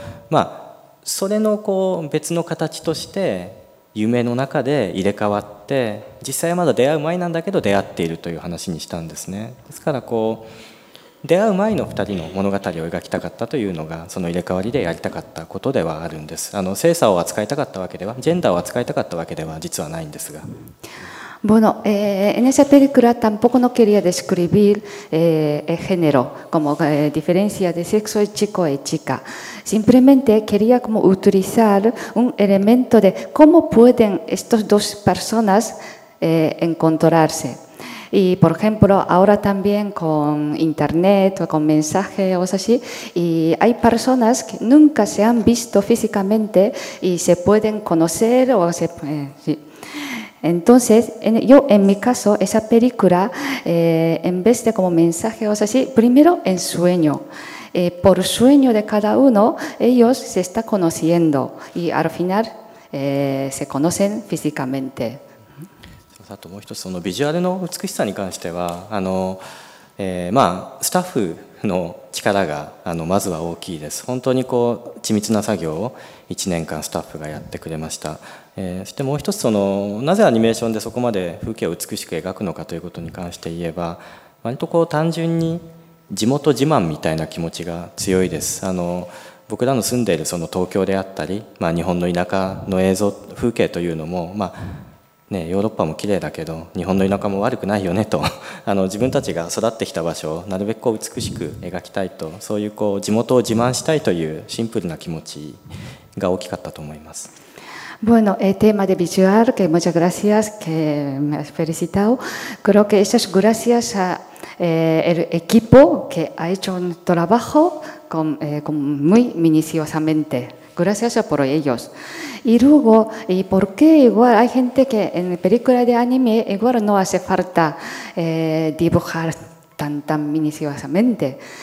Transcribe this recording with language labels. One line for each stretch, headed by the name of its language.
Japanese: まあ、それのこう別の形として夢の中で入れ替わって、実際はまだ出会う前なんだけど出会っているという話にしたんですね。ですからこう出会う前の2人の物語を描きたかったというのが、その入れ替わりでやりたかったことではあるんです。性差を扱いたかったわけでは、ジェンダーを扱いたかったわけでは実はないんですが。
Spanish: Bueno, en esa película tampoco no quería describir el género, como diferencia de sexo de chico y chica. Simplemente quería como utilizar un elemento de cómo pueden estas dos personas encontrarse. Y por ejemplo, ahora también con internet o con mensaje o así, y hay personas que nunca se han visto físicamente y se pueden conocer o se pueden... Entonces, yo en mi caso, esa película, en vez de como mensaje o así, primero en sueño. Por sueño de cada uno, ellos se están conociendo y al final se conocen físicamente.
Japanese: あともう一つ、そのビジュアルの美しさに関しては、まあ、スタッフの力がまずは大きいです。本当にこう緻密な作業を1年間スタッフがやってくれました。そしてもう一つ、そのなぜアニメーションでそこまで風景を美しく描くのかということに関して言えば、割とこう単純に地元自慢みたいな気持ちが強いです。僕らの住んでいるその東京であったり、まあ、日本の田舎の映像風景というのも、まあね、ヨーロッパも綺麗だけど日本の田舎も悪くないよねと。自分たちが育ってきた場所をなるべくこう美しく描きたいと、そういうこう地元を自慢したいというシンプルな気持ちが大きかったと思います。
Spanish: Bueno, el tema de visual, que muchas gracias, que me has felicitado. Creo que eso es gracias a el equipo que ha hecho un trabajo con muy minuciosamente. Gracias por ellos. Y luego, ¿y por qué igual hay gente que en películas de anime igual no hace falta dibujar tan minuciosamente?